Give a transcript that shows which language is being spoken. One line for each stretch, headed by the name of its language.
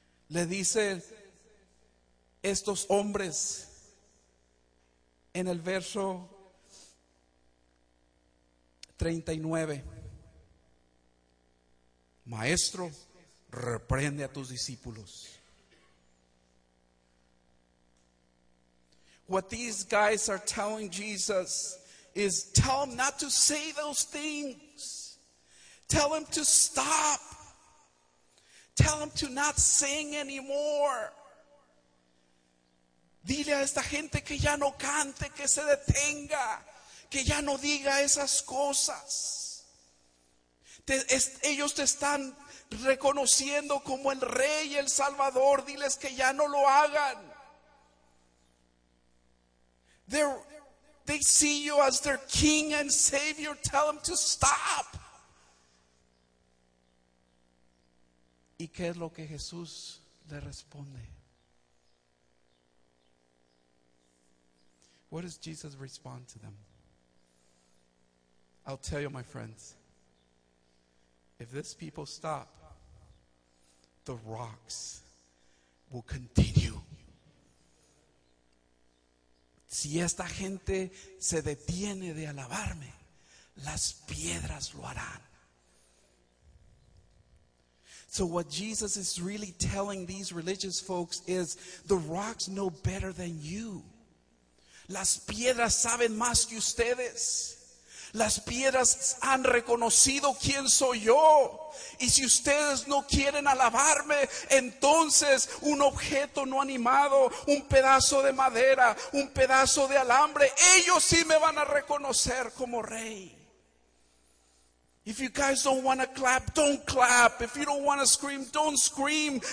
Spanish: Le dice estos hombres en el verso 39, Maestro, reprende a tus discípulos.
English: What these guys are telling Jesus is tell him not to say those things. Tell him to stop. Tell him to not sing anymore.
Spanish: Dile a esta gente que ya no cante, que se detenga, que ya no diga esas cosas. Ellos te están reconociendo como el Rey y el Salvador. Diles que ya no lo hagan.
English: They see you as their king and savior. Tell them to stop.
Spanish: ¿Y qué es lo que Jesús le responde?
English: What does Jesus respond to them? I'll tell you, my friends. If these people stop, the rocks will continue.
Spanish: Si esta gente se detiene de alabarme, las piedras lo harán.
English: So what Jesus is really telling these religious folks is, the rocks know better than you.
Spanish: Las piedras saben más que ustedes. Las piedras han reconocido quién soy yo. Y si ustedes no quieren alabarme, entonces un objeto no animado, un pedazo de madera, un pedazo de alambre, ellos sí me van a reconocer como rey.
English: If you guys don't want to clap, don't clap. If you don't want to scream, don't scream.